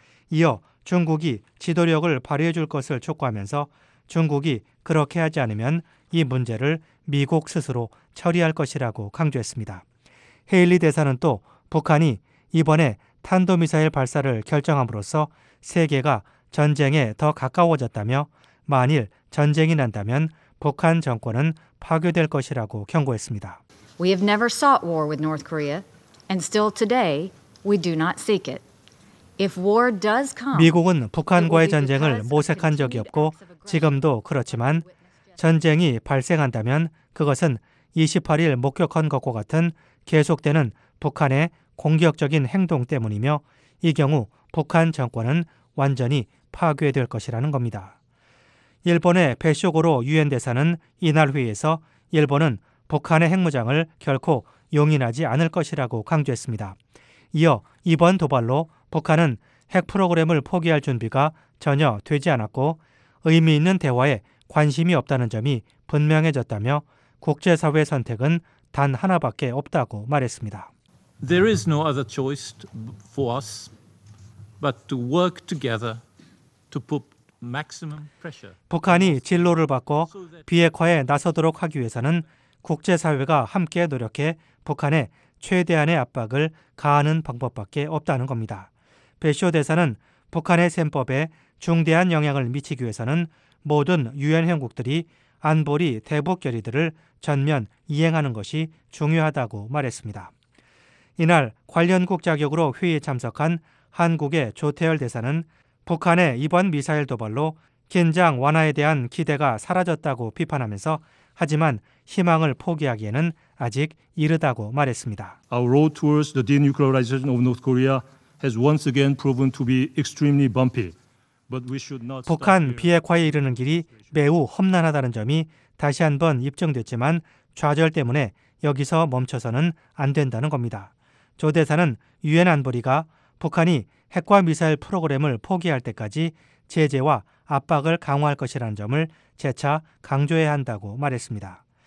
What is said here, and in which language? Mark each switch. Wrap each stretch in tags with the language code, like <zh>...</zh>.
<ko>이어 중국이 지도력을 발휘해 줄 것을 촉구하면서 중국이 그렇게 하지 않으면 이 문제를 미국 스스로 처리할 것이라고 강조했습니다. 헤일리 대사는 또 북한이 이번에 탄도미사일 발사를 결정함으로써 세계가 전쟁에 더 가까워졌다며 만일 전쟁이 난다면 북한 정권은 파괴될 것이라고 경고했습니다.</ko> <en>We have never sought war with North Korea, and still today we do not seek it. If war does come,</en> <ko>미국은 북한과의 전쟁을 모색한 적이 없고 지금도 그렇지만 전쟁이 발생한다면 그것은 28일 목격한 것과 같은 계속되는 북한의 공격적인 행동 때문이며 이 경우 북한 정권은 완전히 파괴될 것이라는 겁니다. 일본의 배쇼고로 유엔 대사는 이날 회의에서 일본은 북한의 핵무장을 결코 용인하지 않을 것이라고 강조했습니다. 이어 이번 도발로 북한은 핵 프로그램을 포기할 준비가 전혀 되지 않았고 의미 있는 대화에 관심이 없다는 점이 분명해졌다며 국제사회 선택은 단 하나밖에 없다고 말했습니다.</ko> <en>There is no other choice for us but to work together to put maximum pressure.</en> <ko>북한이 진로를 바꿔 비핵화에 나서도록 하기 위해서는 국제사회가 함께 노력해 북한에 최대한의 압박을 가하는 방법밖에 없다는 겁니다. 배쇼 대사는 북한의 셈법에 중대한 영향을 미치기 위해서는 모든 유엔 회원국들이 안보리 대북 결의들을 전면 이행하는 것이 중요하다고 말했습니다. 이날 관련국 자격으로 회의에 참석한 한국의 조태열 대사는 북한의 이번 미사일 도발로 긴장 완화에 대한 기대가 사라졌다고 비판하면서 하지만 희망을 포기하기에는 아직 이르다고 말했습니다.</ko> <en>Our road towards the denuclearization of North Korea has once again proven to be extremely bumpy. But we should not.</en> <ko>북한 비핵화에 이르는 길이 매우 험난하다는 점이 다시 한번 입증됐지만 좌절 때문에 여기서 멈춰서는 안 된다는 겁니다. 조 대사는 유엔 안보리가 북한이 핵과 미사일 프로그램을 포기할 때까지 제재와 압박을 강화할 것이라는 점을 재차 강조해야 한다고 말했습니다.</ko>